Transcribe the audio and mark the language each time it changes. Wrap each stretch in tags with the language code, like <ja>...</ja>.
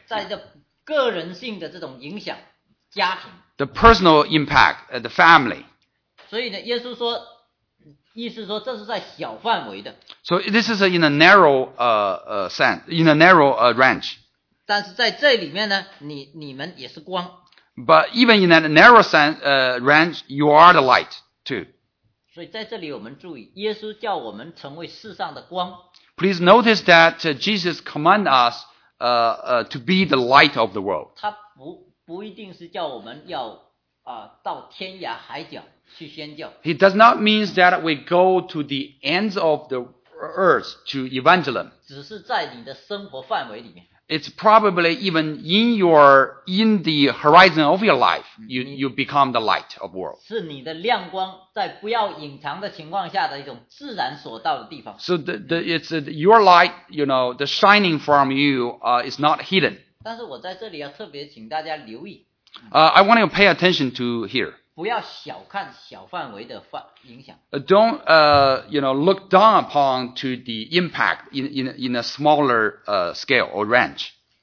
<zh>在个人性的这种影响, 家庭,</zh> <en>the personal impact, the family.</en> <zh>所以呢, 耶稣说, 意思说这是在小范围的,</zh> <en>so this is in a narrow sense, in a narrow range.</en> <zh>但是在这里面呢, 你们也是光。</zh> <en>But even in that narrow sense, range, you are the light too.</en> <zh>所以在这里我们注意, 耶稣叫我们成为世上的光。</zh> <en>Please notice that Jesus commands us to be the light of the world.</en> <zh>他不一定是叫我们要, 到天涯海角。</zh> <en>He does not mean that we go to the ends of the earth to evangelism.</en> <zh>只是在你的生活范围里面。</zh> <en>It's probably even in the horizon of your life, you become the light of the world.</en> <zh>是你的亮光在不要隐藏的情况下的一种自然所到的地方。</zh> <en>So it's your light, you know, the shining from you is not hidden.</en> <zh>但是我在这里要特别请大家留意。</zh> <en>I want to pay attention to here.</en> <zh>不要小看小范围的影响。</zh> <en>Don't you know, look down upon to the impact in a smaller scale or range.</en>